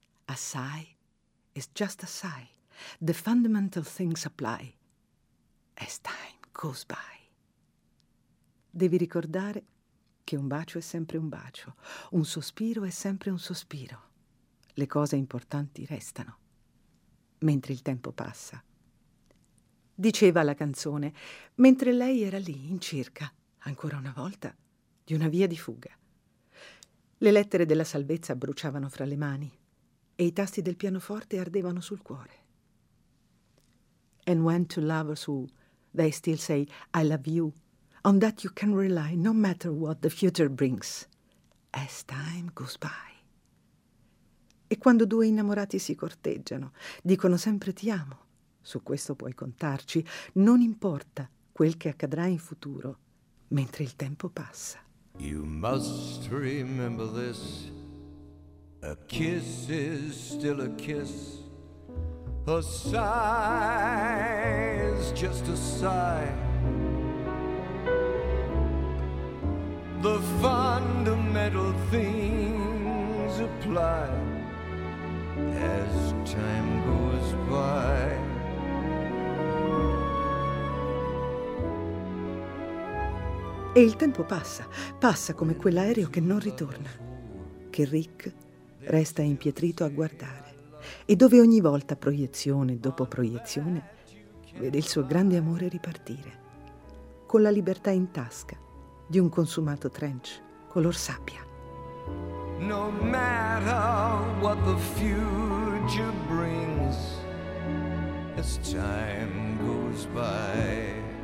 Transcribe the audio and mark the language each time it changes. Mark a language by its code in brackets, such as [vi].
[en] A sigh is just a sigh. The fundamental things apply. As time goes by. [it] Devi ricordare che un bacio è sempre un bacio, un sospiro è sempre un sospiro. Le cose importanti restano, mentre il tempo passa. Diceva la canzone, mentre lei era lì, in cerca, ancora una volta, di una via di fuga. Le lettere della salvezza bruciavano fra le mani e i tasti del pianoforte ardevano sul cuore. [en] And when two lovers who, they still say, I love you, on that you can rely, no matter what the future brings, as time goes by. [it] E quando due innamorati si corteggiano, dicono sempre ti amo, su questo puoi contarci, non importa quel che accadrà in futuro, mentre il tempo passa. [en] You must remember this, a kiss is still a kiss. A sigh is just a sigh. The fundamental things apply as time goes by. [it] E il tempo passa, passa come quell'aereo che non ritorna, che Rick resta impietrito a guardare. E dove ogni volta proiezione dopo proiezione vede il suo grande amore ripartire con la libertà in tasca di un consumato trench color sabbia. [en] No matter what the future brings, as time goes by.